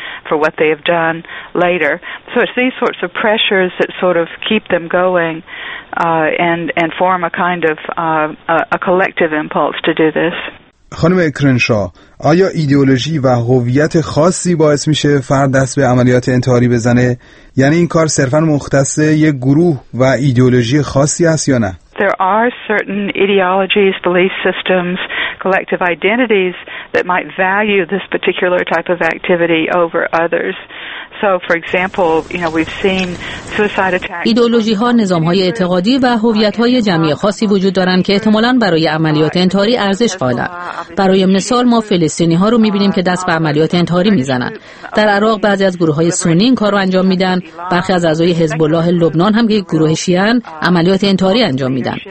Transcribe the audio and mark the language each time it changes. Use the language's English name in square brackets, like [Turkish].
[English] For what they have done later, so it's these sorts of pressures that sort of keep them going, and form a kind of a collective impulse to do this. [Persian] خانم اکرنشا، آیا ایدئولوژی و هویت خاصی باعث میشه فرد دست به عملیات انتحاری بزنه؟ یعنی این کار صرفا مختص یک گروه و ایدئولوژی خاصی است یا نه؟ [English] There are certain ideologies, belief systems, collective identities that might value this particular type of activity over others. So, for example, you know, we've seen suicide attacks. [Persian] ایدئولوژی‌ها، نظام‌های اعتقادی و هویت‌های جمعی خاصی وجود دارند که احتمالاً برای عملیات انتحاری ارزش قائلند. برای مثال ما فلسطینی‌ها رو می‌بینیم که دست به عملیات انتحاری می‌زنند. در عراق بعضی از گروه‌های سنی این کارو انجام می‌دن، برخی از اعضای حزب الله لبنان هم که گروه شیعه‌ان عملیات انتحاری انجام میدن.